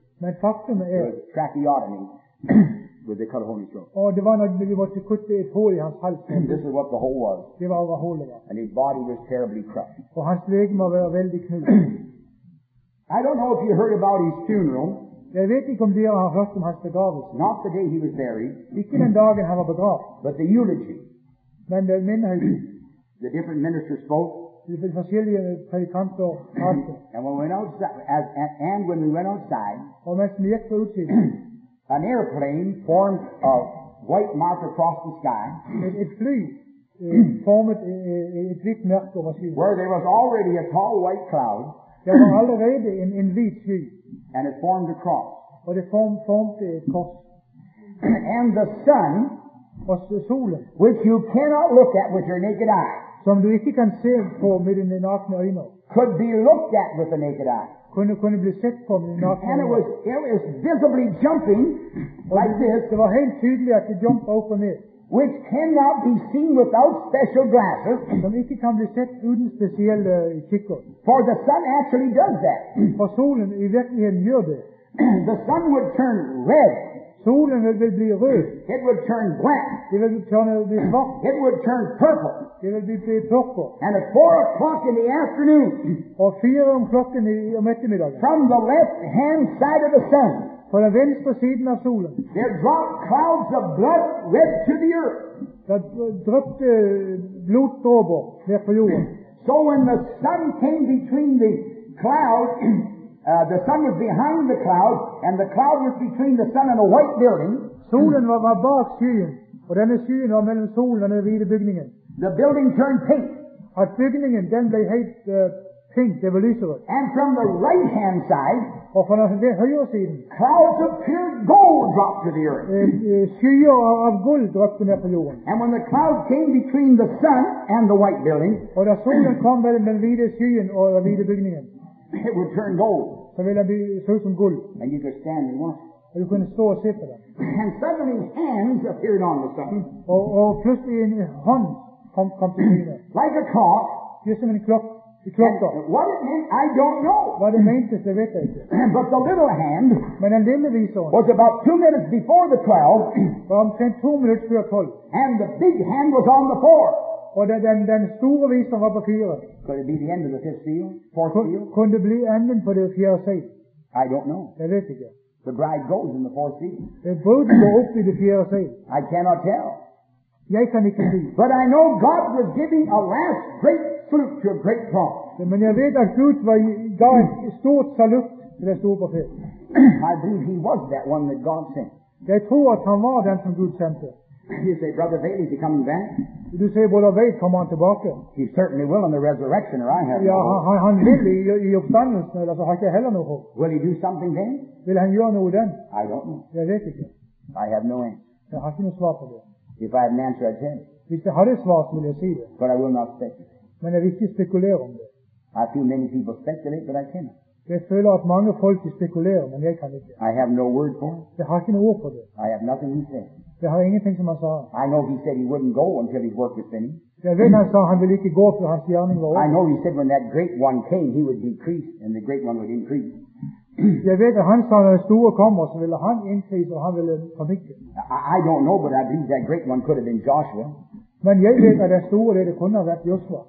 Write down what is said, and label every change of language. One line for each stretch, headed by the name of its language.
Norwegian: Men faktum er.
English: The tracheotomy. Where they cut a hole in his throat.
Norwegian: Og det var når de måtte kutte et hull i hans hals.
English: This is what the hole was.
Norwegian: Det var hva hullet var.
English: And his body was terribly crushed.
Norwegian: Og hans legeme var veldig knust.
English: I don't know if you heard about his funeral.
Norwegian: Jeg vet ikke om dere har hørt om hans begravelse.
English: Not the day he was buried.
Norwegian: Ikke den dagen han var begravet.
English: But the eulogy.
Norwegian: Men den minnelse.
English: The different ministers spoke. And when we went outside, an airplane formed a white mark across the sky. It flew, formed a white mark over the sky. Where there was already a tall white cloud. There was already in white sea. And it formed a cross. Or it formed a cross. And the sun,
Norwegian: solen,
English: which you cannot look at with your naked eye.
Norwegian: Som du ikke kan se på med dine nakne øyne.
English: Could be looked at with the naked eye.
Norwegian: Kunne bli sett på med nakne øyne.
English: And it was visibly jumping like this.
Norwegian: Det var helt tydelig at det jumpet opp og ned.
English: Which cannot be seen without special glasses.
Norwegian: Som ikke kan bli sett uten spesielle kikker.
English: For the sun actually does that.
Norwegian: For solen i virkeligheten gjør det.
English: The sun would turn red.
Norwegian: Solen vil bli rød.
English: It would turn black.
Norwegian: Det vil bli svart.
English: It would turn purple.
Norwegian: Det vil bli purple.
English: And at 4 o'clock in the afternoon.
Norwegian: Og 4 o'clock om ettermiddagen.
English: From the left hand side of the sun.
Norwegian: På den venstre siden av solen.
English: There dropped clouds of blood red to the earth.
Norwegian: Der dryppte bloddråper ned på jorden.
English: So when the sun came between the clouds. The sun was behind the cloud, and the cloud was between the sun and the white building.
Norwegian: Solen var bak skyen, og denne skyen var mellom solen og den hvite bygningen.
English: The building turned pink.
Norwegian: At bygningen den ble helt pink, det var lyserød.
English: And from the right-hand side,
Norwegian: og fra den høyre siden,
English: clouds of pure gold dropped to the earth.
Norwegian: Skyer av gold droppet ned på jorden.
English: And when the cloud came between the sun and the white building,
Norwegian: og da solen kom mellom den hvite skyen og den hvite bygningen.
English: It would turn gold.
Norwegian: Så vil det bli så som gull.
English: And you could stand and watch.
Norwegian: Og du kunne stå og se på det.
English: And suddenly hands appeared on the sun.
Norwegian: Og plutselig en hånd kom til syne.
English: Like a clock.
Norwegian: Just som en klokke.
English: What it meant, I don't know.
Norwegian: Hva det mente, det vet jeg ikke.
English: But the little hand.
Norwegian: Men den lille visoren.
English: Was about 2 minutes before the 12.
Norwegian: Var omtrent 2 minutes før 12.
English: And the big hand was on the 4.
Norwegian: Og den store visoren var på 4.
English: Could it be the end of the fifth seal? Fourth seal? Could it be the end of the fifth seal? I don't know.
Norwegian: Jeg vet ikke.
English: The bride goes in the fourth seal. The bride goes up to the fifth seal. I cannot tell.
Norwegian: Jeg kan ikke si.
English: But I know God was giving a last great salute to a great cross.
Norwegian: Men jeg vet at Gud var gav et stort salut til det store fifth.
English: I believe he was that one that God sent.
Norwegian: Jeg tror at han var den som Gud sendte.
English: You say, Brother Vail, is he coming back?
Swedish: Du säger Brother Vail,
English: come on
Swedish: tillbaka.
English: He certainly will in the resurrection, or I have ja, no hope.
Swedish: Ja, han vill i uppståndelsen, eller så har jag heller
English: no hope. Will he do something then?
Swedish: Vill han göra något then?
English: I don't know.
Swedish: Jag vet inte.
English: I have no answer.
Swedish: Jag har inget svar på det.
English: If I had an answer, I'd say it.
Swedish: Hvis jag hade svar skulle jag säga det.
English: But I will not speculate.
Swedish: Men jag vill inte spekulera om det.
English: I feel many people speculate, but I cannot.
Norwegian: Jag føler at mange folk spekulerer, men jeg kan ikke.
English: I have no word for it.
Norwegian: Jeg har ikke noe ord for det.
English: I have nothing he said.
Norwegian: Jeg har ingenting som han sa.
English: I know he said he wouldn't go until his work was finished.
Norwegian: Jeg vet han sa han ville ikke gå før hans gjerning var over.
English: I know he said when that great one came, he would decrease, and the great one would increase.
Norwegian: Jeg vet at han sa når den store kommer, så ville han increase, og han ville forminke.
English: I don't know, but I believe that great one could have been Joshua.
Norwegian: Men jeg vet at den store, det kunne ha vært Joshua.